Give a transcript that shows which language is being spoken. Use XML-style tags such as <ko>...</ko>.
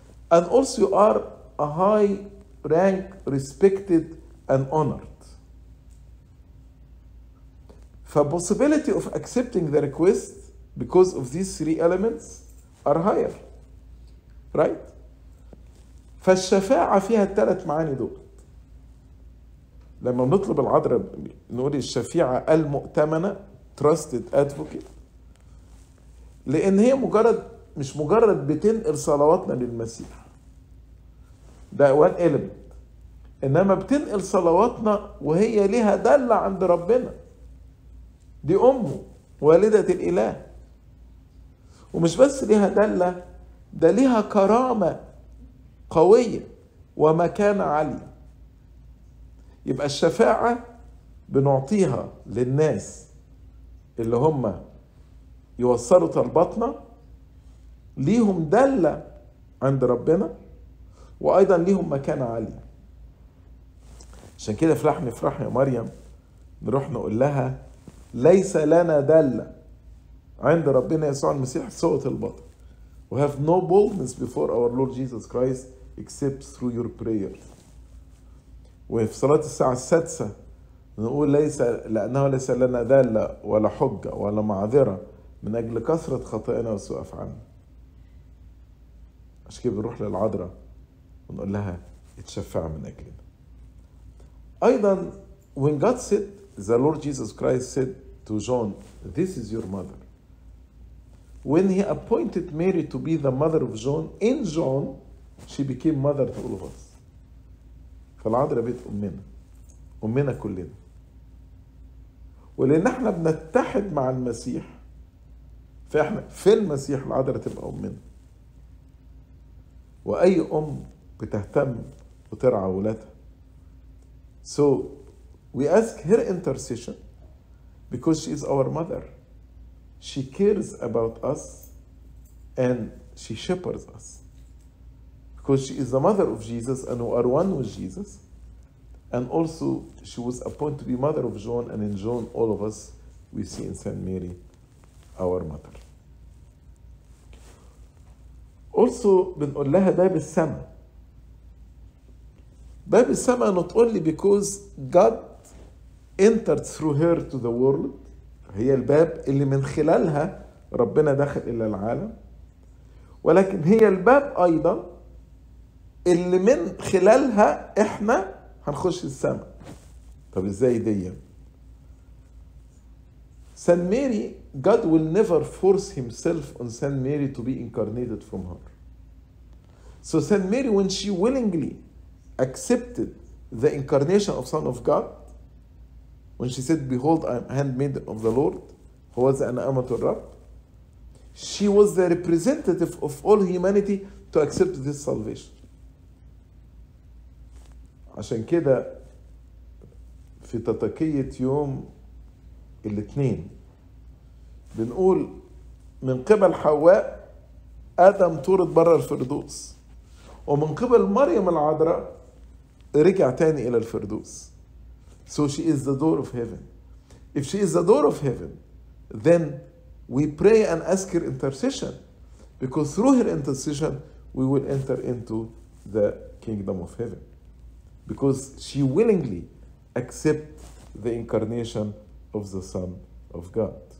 <en>And also you are a high rank, respected and honored. The possibility of accepting the request because of these three elements are higher, right?</en> <ar>فالشفاعة فيها الثلاث معاني دول. لما بنطلب العذراء نقول الشفيعة المؤتمنة trusted advocate, لأن هي مش مجرد بتنقل صلواتنا للمسيح.</ar> <en>ده one element.</en> <ar>إنما بتنقل صلواتنا وهي لها دلة عند ربنا. دي أمه والدة الإله. ومش بس ليها دلة, ده ليها كرامة قوية ومكانة عالية. يبقى الشفاعة بنعطيها للناس اللي هم يوصلوا طلباتنا, ليهم دلة عند ربنا وأيضا ليهم مكانة عالية. عشان كده فرح نفرح يا مريم نروح نقول لها ليس لنا دلة عند ربنا يسوع المسيح صوت البطل.</ar> <en>We have no boldness before our Lord Jesus Christ except through your prayer.</en> <ar>وفي صلاة الساعة السادسة نقول ليس لأنه ليس لنا دلة ولا حجة ولا معذرة من أجل كثرة خطائنا وسوء أفعالنا. عشان كده بنروح للعذراء ونقول لها اتشفع من أجلنا.</ar> <en>أيضا when God said, the Lord Jesus Christ said to John, this is your mother. When he appointed Mary to be the mother of John, in John, she became mother to all of us.</en> <ar>فالعذراء بيت أمنا. أمنا كلنا. ولأن احنا بنتحد مع المسيح, فإحنا في المسيح العذراء تبقى أمنا. وأي أم بتهتم وترعى ولادها.</ar> <en>So, we ask her intercession because she is our mother. She cares about us and she shepherds us. Because she is the mother of Jesus and we are one with Jesus. And also she was appointed to be mother of John, and in John all of us we see in St. Mary our mother.</en> <ar>Also, بنقول لها باب السماء. باب السماء not only because God entered through her to the world, هي الباب اللي من خلالها ربنا دخل إلى العالم، ولكن هي الباب أيضا اللي من خلالها إحنا هنخش السماء.</ar> <en>طب إزاي دي؟ Saint Mary, God will never force himself on saint Mary to be incarnated from her. So St. Mary, when she willingly accepted the incarnation of Son of God, when she said, behold, I am handmaiden of the Lord, who was an amateur rab, she was the representative of all humanity to accept this salvation.</en> <ar>عشان كده في تطاكية يوم الاثنين بنقول من قبل حواء آدم طرد بره الفردوس، ومن قبل مريم العذراء رجع تاني إلى الفردوس.</ar> <en>So she is the door of heaven. If she is the door of heaven, then we pray and ask her intercession. Because through her intercession, we will enter into the kingdom of heaven. Because she willingly accept the incarnation of the Son of God.</en>